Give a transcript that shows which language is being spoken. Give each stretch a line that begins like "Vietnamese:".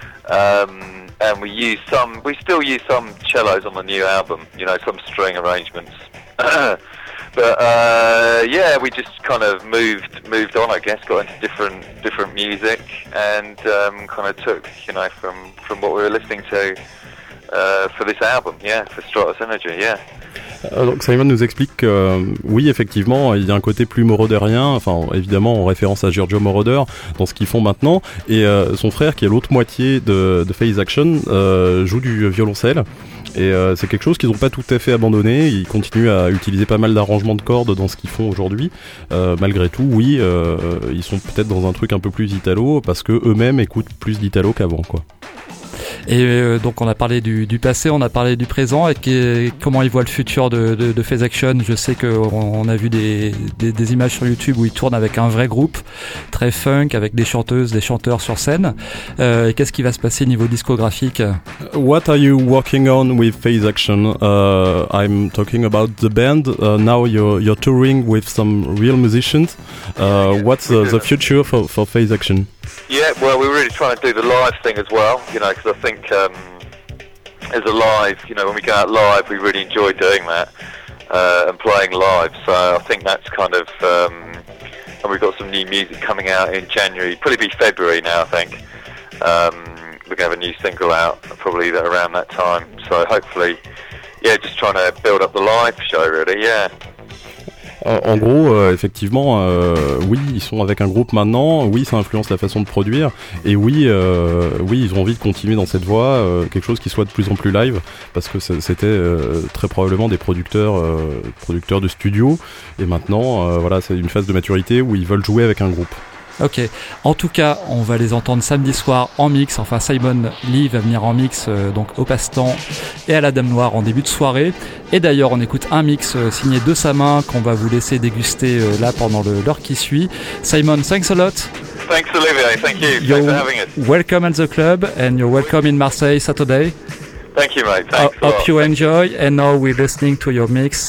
English: And we still use some cellos on the new album, you know, some string arrangements. But yeah, we just kind of moved on, I guess, got into different music, and kind of took, you know, from what we were listening to. For this album, for Stratos Energy,
French: Donc Simon nous explique que oui, effectivement, il y a un côté plus moroderien, enfin évidemment en référence à Giorgio Moroder, dans ce qu'ils font maintenant, et son frère, qui est l'autre moitié de Phase Action, joue du violoncelle. Et c'est quelque chose qu'ils n'ont pas tout à fait abandonné. Ils continuent à utiliser pas mal d'arrangements de cordes dans ce qu'ils font aujourd'hui. Malgré tout, oui, ils sont peut-être dans un truc un peu plus italo, parce qu'eux-mêmes écoutent plus d'italo qu'avant, quoi. Et donc on a parlé du passé, on a parlé du présent, et comment ils voient le futur de Phase Action. Je sais qu'on a vu des images sur YouTube où ils tournent avec un vrai groupe très funk, avec des chanteuses, des chanteurs sur scène. Et qu'est-ce qui va se passer au niveau discographique?
English: What are you working on with Phase Action? I'm talking about the band. Now you're touring with some real musicians. What's the future for Phase Action? Yeah, well, we're really trying to do the live thing as well, you know, because I think as a live, you know, when we go out live, we really enjoy doing that and playing live. So I think that's kind of, and we've got some new music coming out in January, probably be February now, I think. We're going to have a new single out probably around that time. So hopefully, yeah, just trying to build up the live show, really, yeah.
French: En gros, effectivement, oui, ils sont avec un groupe maintenant, oui, ça influence la façon de produire, et oui, oui, ils ont envie de continuer dans cette voie, quelque chose qui soit de plus en plus live, parce que c'était très probablement des producteurs de studio, et maintenant, voilà, c'est une phase de maturité où ils veulent jouer avec un groupe. Ok, en tout cas, on va les entendre samedi soir en mix, enfin Simon Lee va venir en mix donc au Passe-Temps et à la Dame Noire en début de soirée. Et d'ailleurs, on écoute un mix signé de sa main qu'on va vous laisser déguster là pendant l'heure qui suit.
English: Simon, thanks a lot. Thanks Olivier, thank you. You're thanks for having us. Welcome at the club and you're welcome in Marseille Saturday. Thank you mate, thanks a lot. Hope you enjoy and now we're listening to your mix.